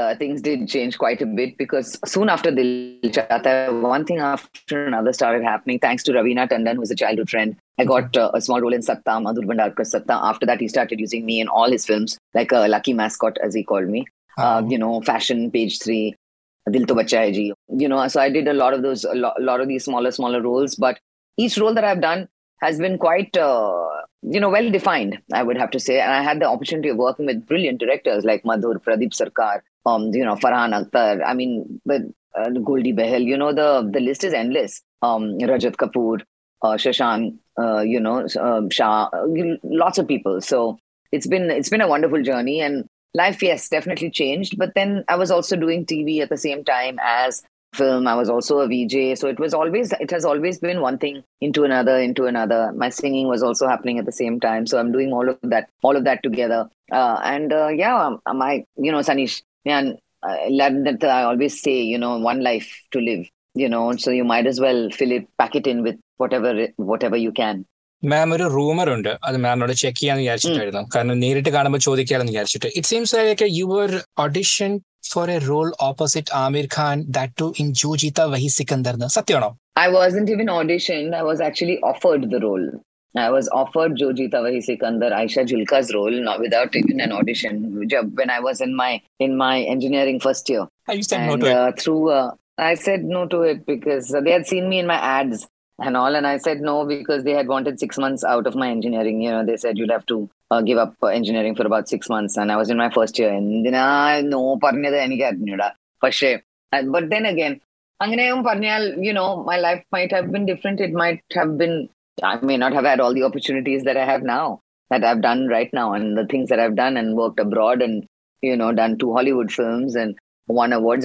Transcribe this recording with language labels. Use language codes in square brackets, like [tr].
[en] Things did change quite a bit because soon after Dil Chahta, one thing after another started happening. Thanks to Raveena Tandon, who is a childhood friend. I got a small role in Satta, Madhur Bhandarkar Satta. After that he started using me in all his films, like a lucky mascot as he called me, you know, fashion page 3, Dil Toh Bachcha Hai Ji, you know. So I did a lot of those, lot of the smaller roles. But each role that I've done has been quite, you know, well-defined, I would have to say. And I had the opportunity of working with brilliant directors like Madhur, Pradeep Sarkar, you know, Farhan Akhtar. I mean, Goldie Behel, you know, the list is endless. Rajat Kapoor, Shashank, you know, Shah, lots of people. So it's been a wonderful journey. And life, yes, definitely changed. But then I was also doing TV at the same time as film. I was also a VJ, so it has always been one thing into another. My singing was also happening at the same time, so I'm doing all of that together. Sanish, I always say, you know, one life to live, you know, so you might as well fill it, pack it in with whatever you can. [ml] മാം, ഒരു rumour ഉണ്ട്, അത് മാമിനോട് [en] check ചെയ്യാന്ന് [ml] വിചാരിച്ചിട്ടായിരുന്നു, കാരണം നേരിട്ട് കാണുമ്പോൾ ചോദിക്കാന്ന് വിചാരിച്ചിട്ട്. [en] It seems like you were audition for a role opposite Aamir Khan, that too in Jo Jeeta Wohi Sikandar. [ml] സത്യമാണോ? [en] I wasn't even auditioned, I was actually offered the role. I was offered Jo Jeeta Wohi Sikandar, Ayesha Jhulka's role, no without even an audition, when I was in my engineering first year. I said no to it. True I said no to it because they had seen me in my ads and all, and I said no because they had wanted 6 months out of my engineering. You know, they said you'd have to give up engineering for about 6 months, and I was in my first year. And then I [ml] no parneda enik arinjada pashe. [en] But then again, [ml] anganeyum parnyal, [en] you know, my life might have been different. It might have been, I may not have had all the opportunities that I have now, that I've done right now, and the things that I've done and worked abroad and, you know, done 2 Hollywood films and won awards.